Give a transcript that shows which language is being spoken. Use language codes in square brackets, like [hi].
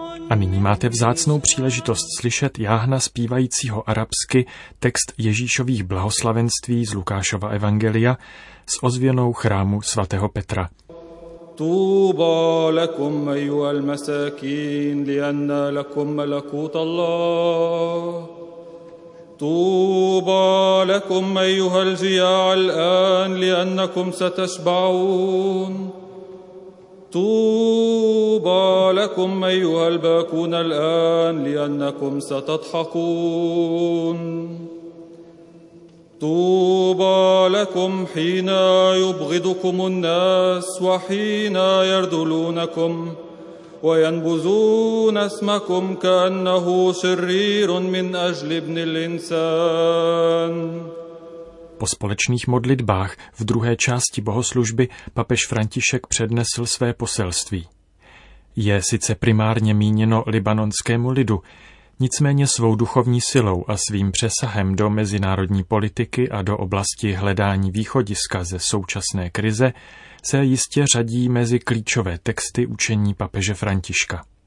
[cs] A nyní máte vzácnou příležitost slyšet jáhna zpívajícího arabsky text Ježíšových blahoslavenství z Lukášova Evangelia s ozvěnou chrámu svatého Petra. [ar] طوبى لكم أيها المساكين لأن لكم ملكوت الله طوبى لكم أيها الجياع الآن لأنكم ستشبعون طوبى لكم أيها الباكون الآن لأنكم ستضحكون طوبى لكم حين يبغضكم الناس وحين يرذلونكم وينبذون اسمكم كأنه شرير من أجل ابن الإنسان. [cs] Po společných modlitbách v druhé části bohoslužby papež František přednesl své poselství. Je sice primárně míněno libanonskému lidu, nicméně svou duchovní silou a svým přesahem do mezinárodní politiky a do oblasti hledání východiska ze současné krize se jistě řadí mezi klíčové texty učení papeže Františka.